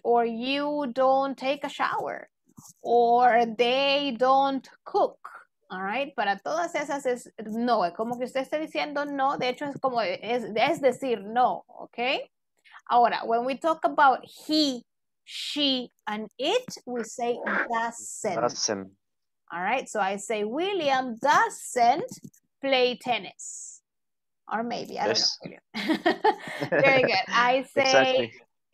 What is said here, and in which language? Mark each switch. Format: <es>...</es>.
<en>Or you don't take a shower, or they don't cook, all right?</en> <es>Para todas esas es no, es como que usted está diciendo no, de hecho es como, es decir no, okay?</es> <en>Ahora, when we talk about he, she, and it, we say doesn't. All right, so I say William doesn't play tennis. Or maybe, I don't know, William. Very good. I say exactly.</en>